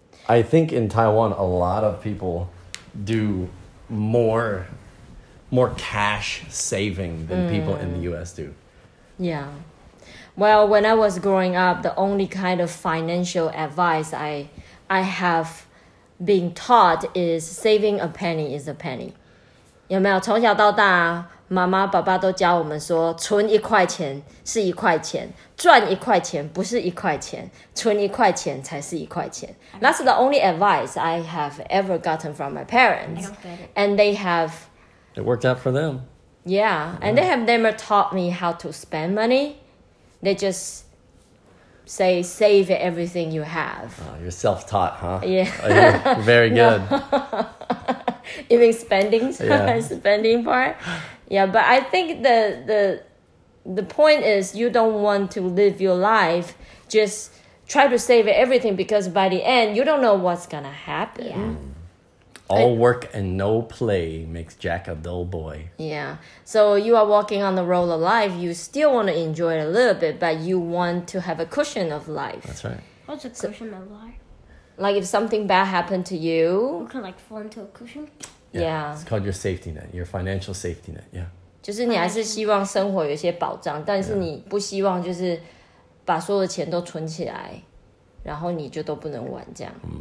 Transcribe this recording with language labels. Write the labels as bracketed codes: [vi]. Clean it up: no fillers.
[en] I think in Taiwan a lot of people do more cash saving than people in the U.S. do. Yeah, well, when I was growing up, the only kind of financial advice I have been taught is saving a penny is a penny. [zh] 有没有从小到大？妈妈爸爸都教我们说存一块钱是一块钱，赚一块钱不是一块钱，存一块钱才是一块钱。 [en] That's the only advice I have ever gotten from my parents. And they have... It worked out for them. Yeah, and they have never taught me how to spend money. They just say, save everything you have. Oh, you're self-taught, huh? Yeah. Very good. You mean spending? Yeah. Spending part? Yeah, but I think the point is you don't want to live your life just try to save everything, because by the end, you don't know what's going to happen. Yeah. All work and no play makes Jack a dull boy. Yeah, so you are walking on the road of life. You still want to enjoy it a little bit, but you want to have a cushion of life. That's right. What's a cushion of life? Like if something bad happened to you. You can like fall into a cushion. Yeah. It's called your safety net, your financial safety net. Yeah. [zh] 就是你还是希望生活有些保障，但是你不希望就是把所有的钱都存起来，然后你就都不能玩这样。